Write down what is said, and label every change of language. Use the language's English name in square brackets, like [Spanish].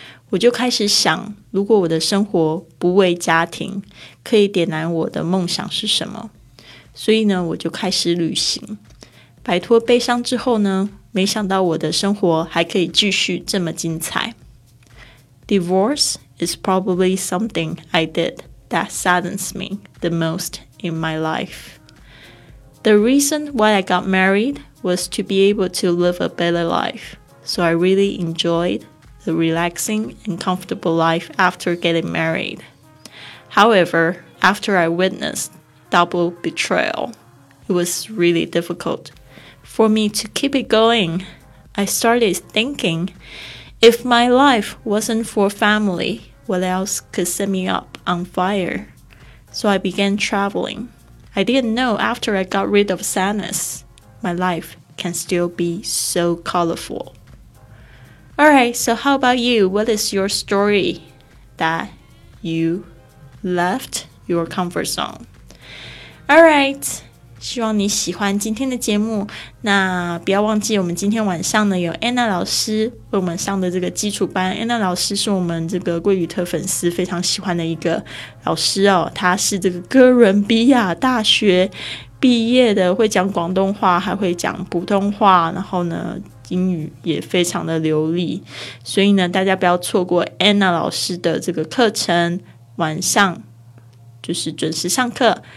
[Chinese] 我就开始想，如果我的生活不为家庭，可以点燃我的梦想是什么。所以呢我就开始旅行，摆脱悲伤之后呢，没想到我的生活还可以继续这么精彩。 [English] Divorce is probably something I diddid that saddens me the most in my life. The reason why I got married was to be able to live a better life, so I really enjoyed the relaxing and comfortable life after getting married. However, after I witnessed double betrayal, it was really difficult for me to keep it going. I started thinking, if my life wasn't for family, what else could set me up? On fire. So I began traveling. I didn't know after I got rid of sadness, my life can still be so colorful. Alright, so how about you? What is your story that you left your comfort zone? [Chinese] Alright, 希望你喜欢今天的节目。那不要忘记我们今天晚上呢有 Anna 老师为我们上的这个基础班。 Anna 老师是我们这个贵旅特粉丝非常喜欢的一个老师哦，他是这个哥伦比亚大学毕业的，会讲广东话还会讲普通话，然后呢英语也非常的流利，所以呢大家不要错过 Anna 老师的这个课程，晚上就是准时上课。